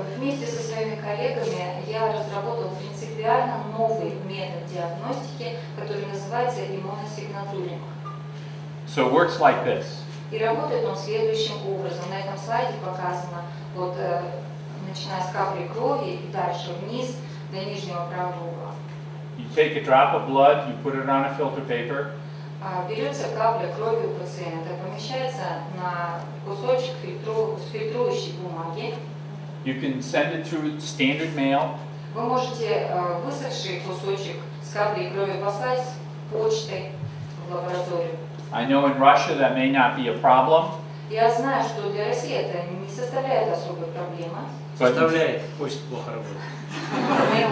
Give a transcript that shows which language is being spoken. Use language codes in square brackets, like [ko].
[ru] Вместе со своими коллегами я разработал принципиально новый метод диагностики, который называется иммуносигнатуринг. [en] So it works like this. [ru] И работает он следующим образом. На этом слайде показано, вот, начиная с капли крови и дальше вниз до нижнего правого угла. [en] You take a drop of blood, you put it on a filter paper. [ru] Берется капля крови у пациента, помещается на кусочек фильтрующей бумаги. [en] You can send it through standard mail. [ru] Вы можете высохший кусочек с каплей крови послать почтой в лабораторию. [en] I know in Russia that may not be a problem. [ru] Я знаю, что для России это не составляет особой проблемы. Составляет, почта плохо работает.